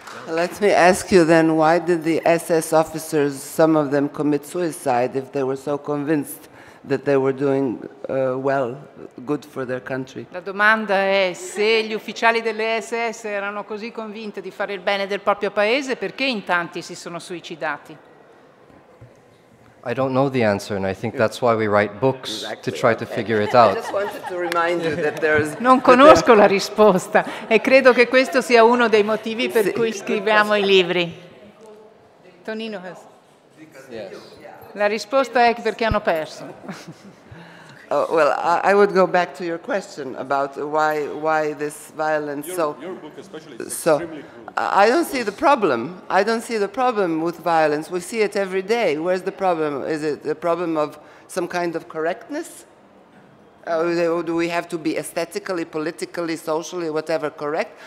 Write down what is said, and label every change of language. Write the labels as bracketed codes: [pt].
[en] Let me ask you then, why did the SS officers, some of them, commit suicide if they were so convinced that they were doing good for their country? [it] La domanda è: se gli ufficiali delle SS erano così convinti di fare il bene del proprio paese, perché in tanti si sono suicidati? [en] I don't know the answer, and I think that's why we write books, exactly, to try to figure it out. I just wanted to remind you that there is... [it] Non conosco la risposta, e credo che questo sia uno dei motivi per cui scriviamo i libri. [en] Tonino has... Yes. [it] La risposta è perché hanno perso. [en] Well, I would go back to your question about why this violence. Your book especially is so extremely cruel. I don't see the problem. I don't see the problem with violence. We see it every day. Where's the problem? Is it the problem of some kind of correctness? Do we have to be aesthetically, politically, socially, whatever, correct?